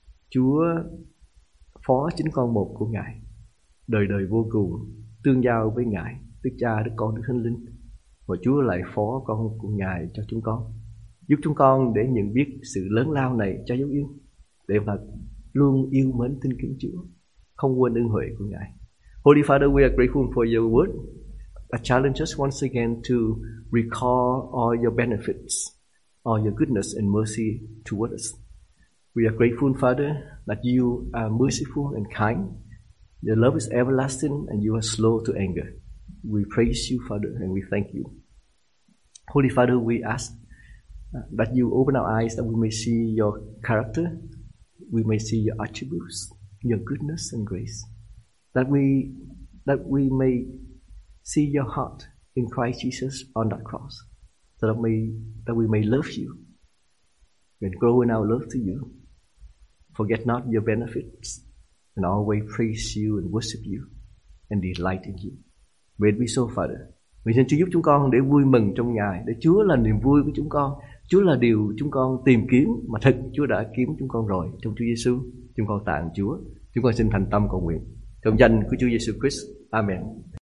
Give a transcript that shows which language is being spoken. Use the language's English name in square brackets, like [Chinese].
[Vietnamese] Chúa phó chính con một của Ngài, đời đời vô cùng tương giao với Ngài, Đức Cha, Đức Con, Đức Thánh Linh. Và Chúa lại phó con của Ngài cho chúng con, giúp chúng con để nhận biết sự lớn lao này cho dấu yêu, để mà luôn yêu mến tin kính Chúa, không quên ân huệ của Ngài. [English] Holy Father, we are grateful for your word. I challenge us once again to recall all your benefits, all your goodness and mercy toward us. We are grateful, Father, that you are merciful and kind. Your love is everlasting and you are slow to anger. We praise you, Father, and we thank you. Holy Father, we ask that you open our eyes that we may see your character, we may see your attributes, your goodness and grace, that we may see your heart in Christ Jesus on that cross, that we may love you and grow in our love to you. Forget not your benefits, and always praise you and worship you and delight in you. May it be so, Father. [Vietnamese] Nguyện xin Chúa giúp chúng con để vui mừng trong Ngài, để Chúa là niềm vui của chúng con, Chúa là điều chúng con tìm kiếm mà thật Chúa đã kiếm chúng con rồi. Trong Chúa Giêsu, chúng con tạ ơn Chúa. Chúng con xin thành tâm cầu nguyện trong danh của Chúa Giêsu Christ. Amen.